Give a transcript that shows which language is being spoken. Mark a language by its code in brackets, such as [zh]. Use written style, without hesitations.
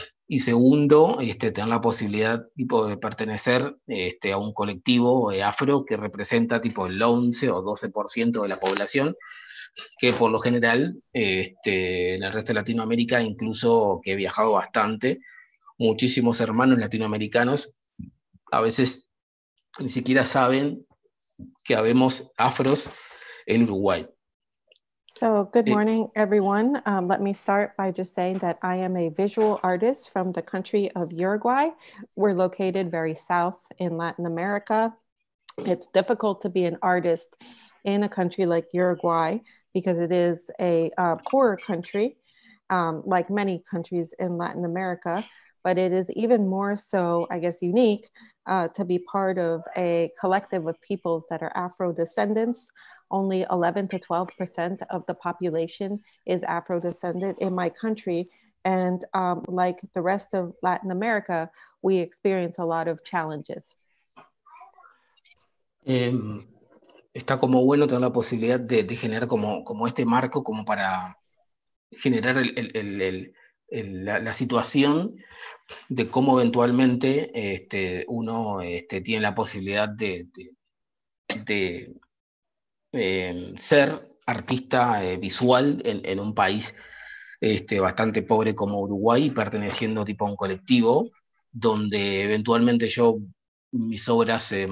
[es] y segundo, tener la posibilidad tipo de pertenecer a un colectivo afro que representa tipo el 11 o 12% de la población, que por lo general en el resto de Latinoamérica, incluso que he viajado bastante, muchísimos hermanos latinoamericanos a veces ni siquiera saben que habemos afros en Uruguay. [en] So good morning, everyone. Let me start by just saying that I am a visual artist from the country of Uruguay. We're located very south in Latin America. It's difficult to be an artist in a country like Uruguay because it is a poorer country, like many countries in Latin America. But it is even more so, I guess, unique to be part of a collective of peoples that are Afro-descendants. Only 11 to 12% of the population is Afro-descendant in my country. And like the rest of Latin America, we experience a lot of challenges. [es] Está como bueno tener la posibilidad de generar como este marco, como para generar la situación de cómo eventualmente uno tiene la posibilidad de ser artista visual en un país bastante pobre como Uruguay, perteneciendo tipo a un colectivo donde eventualmente yo mis obras